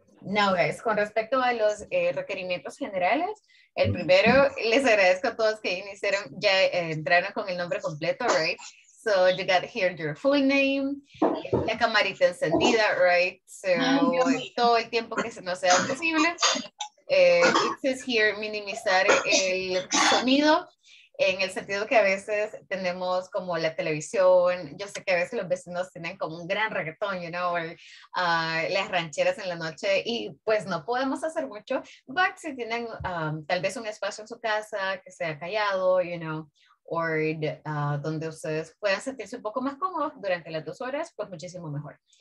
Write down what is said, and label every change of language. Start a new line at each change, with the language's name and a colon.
Spanish: Now, guys, con respecto a los requerimientos generales, el primero, les agradezco a todos que iniciaron, ya entraron con el nombre completo, right?
English: So, you got here your full name,
Spanish: la camarita encendida,
English: right?
Spanish: So, todo el tiempo que se nos sea posible.
English: It says here,
Spanish: minimizar el sonido. en el sentido que a veces tenemos como la televisión, yo sé que a veces los vecinos tienen como un gran reggaetón, you know, las rancheras en la noche, y pues no podemos hacer mucho, but si tienen tal vez un espacio en su casa que sea callado, you know, or donde ustedes puedan sentirse un poco más cómodos durante las 2 horas, pues muchísimo mejor.